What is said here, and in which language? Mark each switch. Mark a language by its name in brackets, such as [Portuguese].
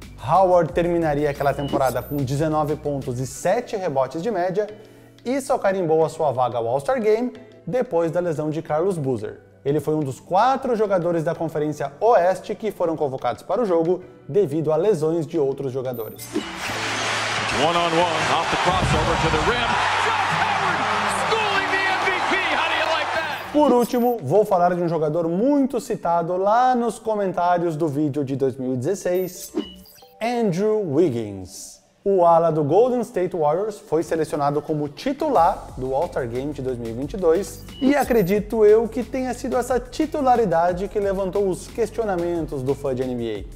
[Portuguese] Howard terminaria aquela temporada com 19 pontos e 7 rebotes de média e só carimbou a sua vaga ao All-Star Game depois da lesão de Carlos Boozer. Ele foi um dos 4 jogadores da Conferência Oeste que foram convocados para o jogo devido a lesões de outros jogadores. [English] One on one, off the crossover to the rim. Josh Howard, schooling the MVP. How do you like that? [Portuguese] Por último, vou falar de um jogador muito citado lá nos comentários do vídeo de 2016, Andrew Wiggins. O ala do Golden State Warriors foi selecionado como titular do All-Star Game de 2022 e acredito eu que tenha sido essa titularidade que levantou os questionamentos do fã de NBA.